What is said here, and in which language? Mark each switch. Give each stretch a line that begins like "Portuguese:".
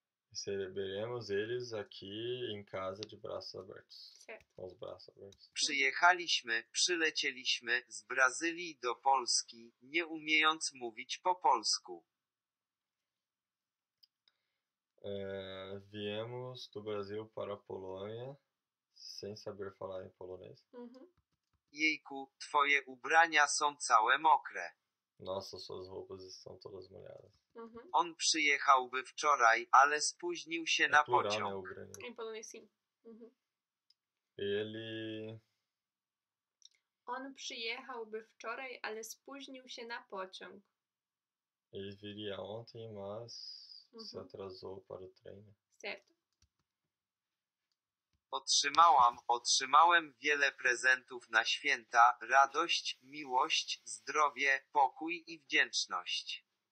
Portuguese: Receberemos eles aqui em casa de braços abertos. Certo. Com os braços abertos.
Polish: Przyjechaliśmy, przylecieliśmy z Brazylii do Polski, nie umiejąc mówić po polsku.
Portuguese: Viemos do Brasil para a Polônia, sem saber falar em polonês.
Polish: Jejku, twoje ubrania są całe mokre.
Portuguese: Nossa, suas roupas estão todas molhadas.
Polish: On przyjechałby wczoraj, ale spóźnił się na pociąg.
Portuguese: Em polonês, sim. Ele...
Polish: On przyjechałby wczoraj, ale spóźnił się na pociąg.
Portuguese: Ele viria ontem, mas se atrasou para o treino. Certo.
Polish: Otrzymałem wiele prezentów na święta. Radość, miłość, zdrowie, pokój i wdzięczność.